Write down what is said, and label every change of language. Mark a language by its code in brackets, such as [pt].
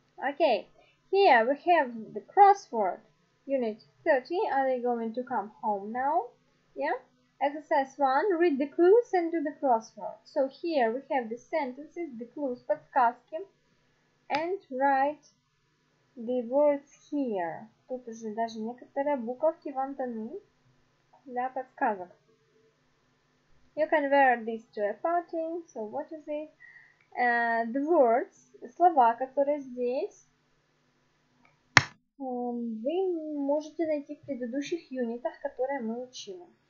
[en] Okay, here we have the crossword, unit 30. Are they going to come home now? Yeah, exercise 1, read the clues and do the crossword. So here we have the sentences, the clues, подсказки, and write the words here. [ru] Тут уже даже некоторые буковки вам даны для подсказок. [en] You can wear this to a party, so what is it? The words, [ru] слова, которые здесь, вы можете найти в предыдущих юнитах, которые мы учили.